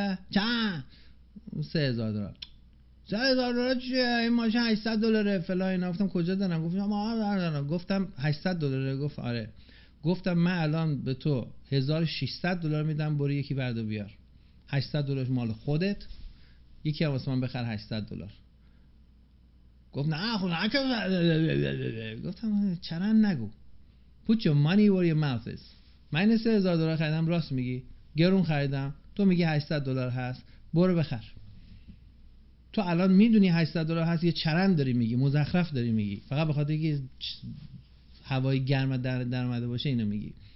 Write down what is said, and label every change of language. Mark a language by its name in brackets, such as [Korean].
[Persian] چند؟ 3000 دلار. 3000 دلار چیه؟ این ماشین 800 دلاره فلان اینا. گفتم کجا دارم؟ گفتم گفتم 800 دلاره. گفت آره. گفتم من الان به تو 1600 دلار میدم، برو یکی بردو بیار، 800 دلار مال خودت، یکی هم واسه من بخر 800 دلار. گفت نه خو نه که. گفتم چرن نگو، [English] put your money where your mouth is. [Persian] من 3000 دلار خریدم، راست میگی، گرون خریدم، تو میگی 800 دلار هست، برو بخر. تو الان میدونی 800 دلار هست، یه چرن داری میگی، مزخرف داری میگی، فقط بخاطر اینکه هوای گرم در اومده باشه اینو میگی.